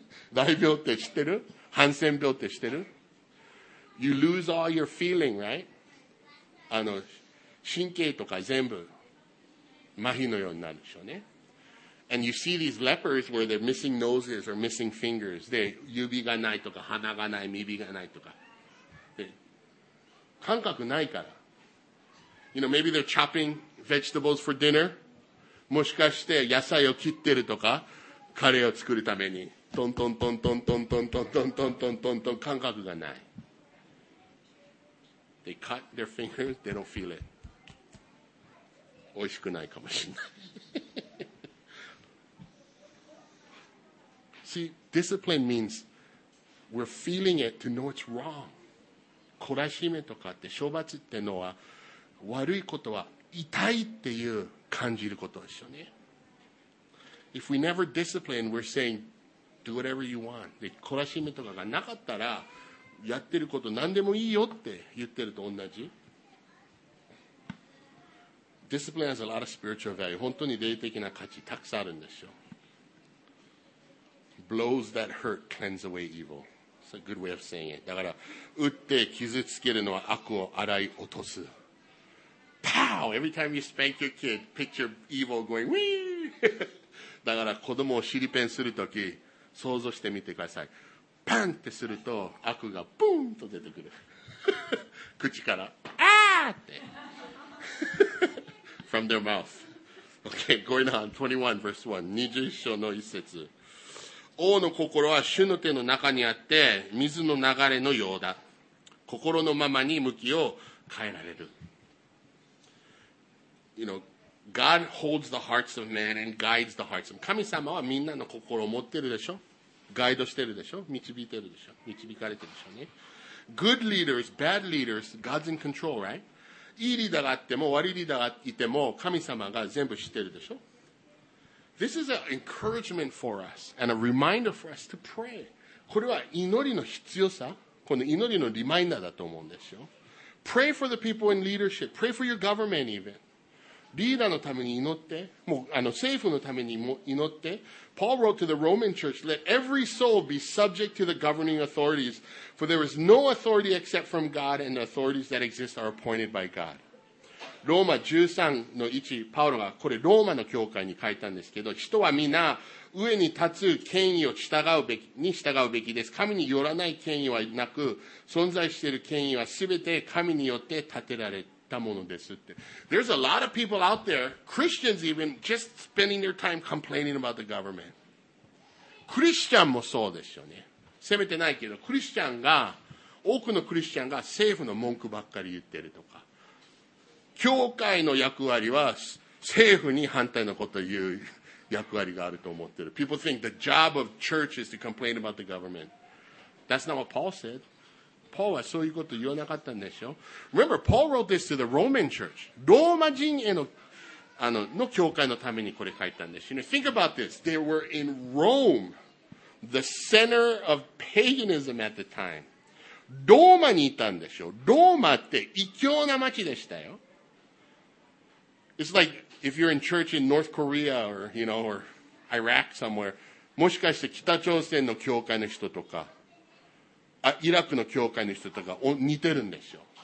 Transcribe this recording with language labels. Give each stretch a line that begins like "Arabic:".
Japanese: 大病って知ってる？ハンセン病って知ってる？
English: You lose all your feeling, right?
Japanese: あの、神経とか全部麻痺のようになるでしょうね。
English: And you see these lepers where they're missing noses or missing fingers.
Japanese: で、指がないとか鼻がない、耳がないとか。で、感覚ないから。
English: You know, maybe they're chopping vegetables for dinner.
Japanese: もしかして野菜を切ってるとか、カレーを作るために、トントントントントントントントントントントントン、感覚がない。
English: They cut their fingers, they don't feel it.
Japanese: 美味しくないかもしれない。
English: See, discipline means we're feeling it to know it's wrong.
Japanese: 懲らしめとかって、処罰ってのは、悪いことは痛いっていう感じることですよね。
English: If we never discipline, we're saying, do whatever you want.
Japanese: で、懲らしめとかがなかったら、やってること何でもいいよって言ってると同じ。
English: Discipline has a lot of spiritual value.
Japanese: 本当に霊的な価値たくさんあるんですよ。
English: Blows that hurt cleanse away evil. It's a good way of saying it.
Japanese: だから、打って傷つけるのは悪を洗い落とす。
English: Pow! Every time you spank your kid, picture evil going, wee!
Japanese: だから、子供を尻ペンするとき、想像してみてください。パンってすると、悪がブーンと出てくる。口から、あーって。
English: From their mouth. Okay, going on. 21 verse 1.
Japanese: 21章の一節。王の心は主の手の中にあって水の流れのようだ。心のままに向きを変えられる。
English: You know, God holds the hearts of man and guides the hearts of man.
Japanese: 神様はみんなの心を持ってるでしょ。ガイドしてるでしょ。導いてるでしょ。導かれてるでしょうね。
English: Good leaders, bad leaders, God's in control, right?
Japanese: いいリーダーがあっても悪いリーダーがいても神様が全部知ってるでしょ。
English: This is an encouragement for us and a reminder for us to pray.
Japanese: これは祈りの必要さ、この祈りのリマインダーだと思うんですよ。
English: Pray for the people in leadership. Pray for your government even.
Japanese: リーダーのために祈って、もうあの政府のためにも祈って。
English: Paul wrote to the Roman church, let every soul be subject to the governing authorities, for there is no authority except from God and the authorities that exist are appointed by God.
Japanese: ローマ13の1、パウロがこれローマの教会に書いたんですけど、人はみんな上に立つ権威を従うべきに従うべきです。神によらない権威はなく、存在している権威はすべて神によって立てられたものですって。
English: There's a lot of people out there, Christians even, just spending their time complaining about the government.
Japanese: クリスチャンもそうですよね。責めてないけど、クリスチャンが、多くのクリスチャンが政府の文句ばっかり言ってるとか。教会の役割は政府に反対のことを言う役割があると思ってる。
English: People think the job of church is to complain about the government. That's not what Paul said.
Japanese: Paul はそういうこと言わなかったんでしょ。
English: Remember, Paul wrote this to the Roman church.
Japanese: ローマ人への、の教会のためにこれ書いたんでしょ。
English: Think about this. They were in Rome, the center of paganism at the time.
Japanese: ローマにいたんでしょ。ローマって異教な町でしたよ。
English: It's like if you're in church in North Korea or, you know, or Iraq somewhere.
Japanese: もしかして北朝鮮の教会の人とか、イラクの教会の人とか似てるんでしょ。